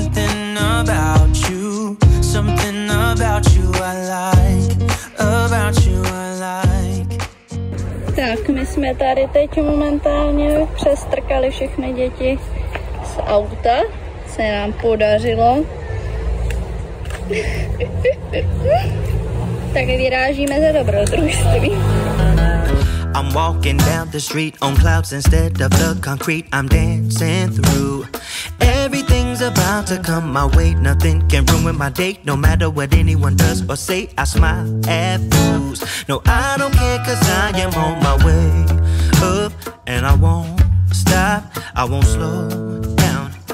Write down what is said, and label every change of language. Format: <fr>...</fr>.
<en>About you, something about you I like, about you I like.</en> <cs>Tak my jsme tady teď momentálně přestrkali všechny děti z auta, se nám podařilo. Tak vyrážíme za dobrodružství.</cs> <en>I'm walking down the street on clouds instead of the concrete. I'm dancing through. Everything's about to come my way. Nothing can ruin my day. No matter what anyone does or say, I smile at fools. No, I don't care, 'cause I am on my way up, and I won't stop, I won't slow down.</en>